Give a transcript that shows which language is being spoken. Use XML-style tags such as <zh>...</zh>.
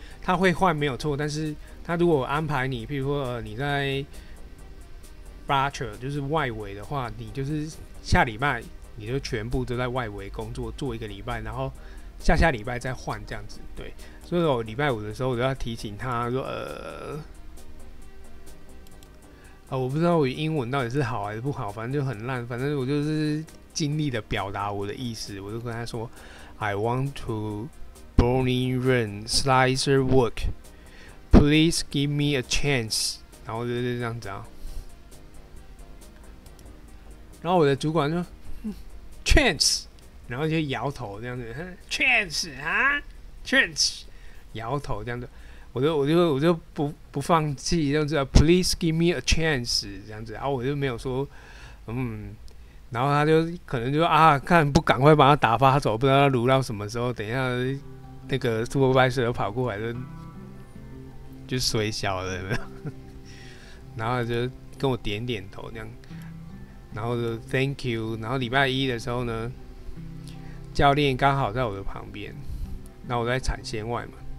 <zh>他会换没有错，但是他如果安排你，譬如说你在 butcher 就是外围的话，你就是下礼拜你就全部都在外围工作做一个礼拜，然后下下礼拜再换这样子。对，所以我礼拜五的时候我就要提醒他说我不知道我英文到底是好还是不好，反正就很烂。反正我就是尽力的表达我的意思，我就跟他说 ：</zh> <en>“I want to burning run slicer work, please give me a chance。”</en> <zh>然后就这样子啊。然后我的主管就说 ：“Chance。” 然后就摇头这样子 ：“Chance 啊 ，Chance。” 摇头这样子。我就不放弃这样子啊 ，</zh> <en>Please give me a chance</en> <zh>这样子啊，我就没有说，然后他就可能就说啊，看不赶快把他打发走，不知道他撸到什么时候，等一下那个 supervisor 跑过来就水小了有沒有，然后就跟我点点头这样，然后就</zh> <en>Thank you，</en> <zh>然后礼拜一的时候呢，教练刚好在我的旁边，然后我在产线外嘛。</zh>